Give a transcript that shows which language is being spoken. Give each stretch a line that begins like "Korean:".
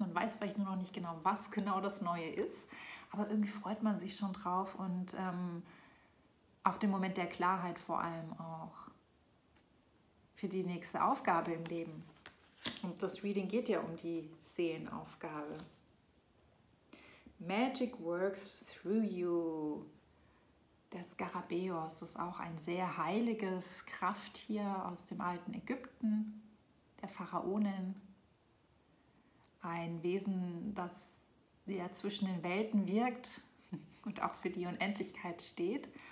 German: Man weiß vielleicht nur noch nicht genau, was genau das Neue ist, aber irgendwie freut man sich schon drauf und auf den Moment der Klarheit vor allem auch. Für die nächste Aufgabe im Leben. Und das Reading geht ja um die Seelenaufgabe.
English: Magic works through you.
German: Der Skarabäus ist auch ein sehr heiliges Krafttier aus dem alten Ägypten, der Pharaonen. Ein Wesen, das ja zwischen den Welten wirkt und auch für die Unendlichkeit steht.